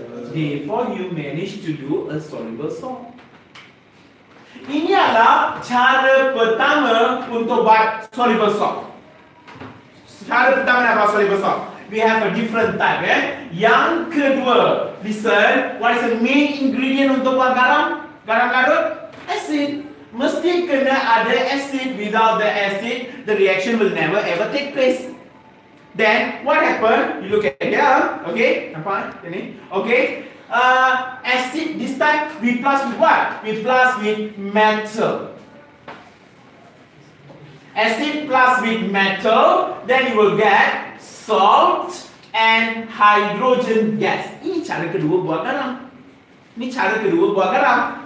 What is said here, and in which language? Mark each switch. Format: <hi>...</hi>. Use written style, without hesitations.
<en>Therefore, you manage to do a soluble salt.</en> <ms>Ini adalah cara pertama untuk buat soluble salt. Cara pertama nak buat</ms> <en>soluble salt. We have a different type. Eh?</en> <ms>Yang kedua,</ms> <en>listen, what is the main ingredient</en> <ms>untuk buat garam? Garam larut? Acid. Mesti kena ada acid.</ms> <en>Without the acid, the reaction will never ever take place. Then, what happened? You look at here, okay?</en> <ms>Nampak? Ini?</ms> <en>Okay? Acid, this time, we plus with what? We plus with metal. Acid plus with metal, then you will get salt and hydrogen gas.</en> <ms>Ini cara kedua buat garam. Ini cara kedua buat garam.</ms>